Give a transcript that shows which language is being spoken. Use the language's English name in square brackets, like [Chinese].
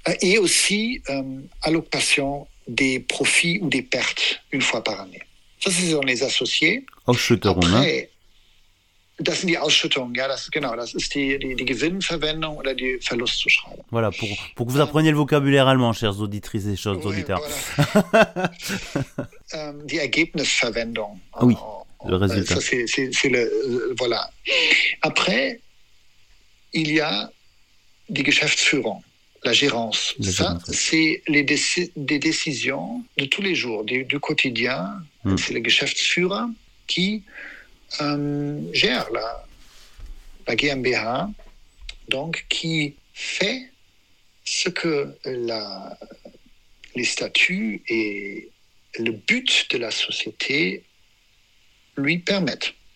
[French] Et aussi, allocation des profits ou des pertes une fois par année. Ça, c'est dans les associés. [German] Ausschütterung, hein? Das sind die Ausschüttungen, ja, das, genau, das ist die Gewinnverwendung oder die Verlustzuschreibung. [French] Voilà, pour que vous appreniez le vocabulaire allemand, chers auditrices et chers auditeurs. Voilà. [German] die Ergebnisverwendung. [French] Oui, le résultat. Ça, c'est le, voilà. Après, il y a die Geschäftsführung, la gérance. C'est les des décisions de tous les jours, du quotidien. Mm. C'est le Geschäftsführer qui gère la GmbH, donc qui fait ce que les statuts et le but de la société lui permettent.